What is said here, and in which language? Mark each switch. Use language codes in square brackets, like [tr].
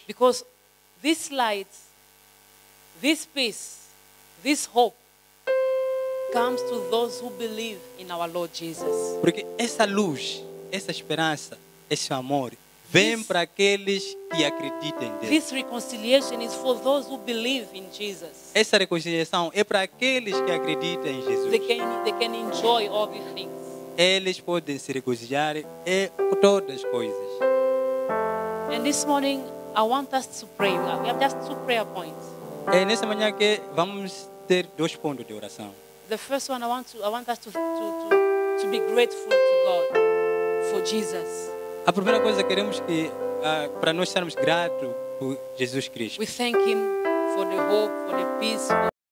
[en] Because this light, this peace, this hope, comes to those who believe in our Lord Jesus. [pt] Porque essa luz, essa esperança, esse amor vem para aqueles que acreditam em Deus. [en] This reconciliation is for those who believe in Jesus. [pt] Essa reconciliação é para aqueles que acreditam em Jesus. [en] They can enjoy all the things. [pt] Eles podem se reconciliar em todas as coisas. [en] And this morning I want us to pray. We have just two prayer points. [pt] É nessa manhã que vamos ter dois pontos de oração. [en] The first one, I want us to be grateful to God for Jesus. [pt] A primeira coisa queremos que para nós sermos gratos por Jesus Cristo. [en] We thank Him for the hope, for the peace, for